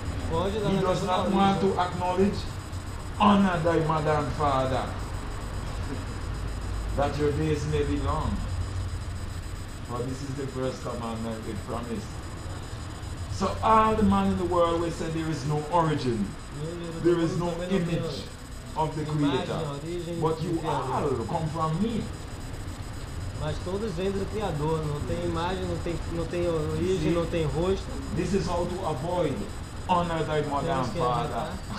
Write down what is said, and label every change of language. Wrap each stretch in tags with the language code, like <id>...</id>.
<en>He does not want to acknowledge, honor thy mother and father, that your days may be long. For this is the first commandment we promised. So all the man in the world will say there is no origin, there is no image of the Creator, but you all come from me.</en> <pt>Mas todos vêm do Criador, não tem imagem, não tem origem, não tem rosto.</pt> <en>This is how to avoid honor thy mother and father.</en>